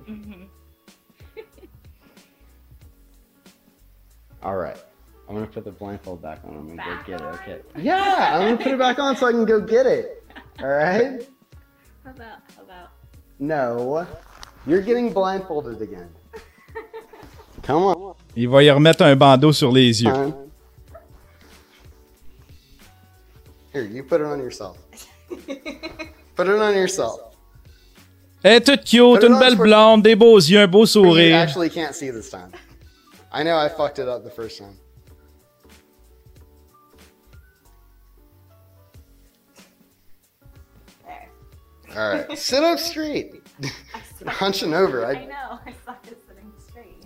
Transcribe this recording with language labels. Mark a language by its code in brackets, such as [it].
[en] Mm-hmm. All right. I'm gonna put the blindfold back on and go get it. Okay. Yeah, I'm gonna put it back on so I can go get it. All right. How about? No, you're getting blindfolded again. Come on. [fr] Il va y remettre un bandeau sur les yeux. [en] Here, you put it on yourself. Put it on yourself. [fr] Hey, toute cute, une belle blonde, des beaux yeux, un beau sourire. [en] You actually can't see this time. I know I fucked it up the first time. All right, sit up straight. I'm hunching over. I know, I thought it was sitting straight.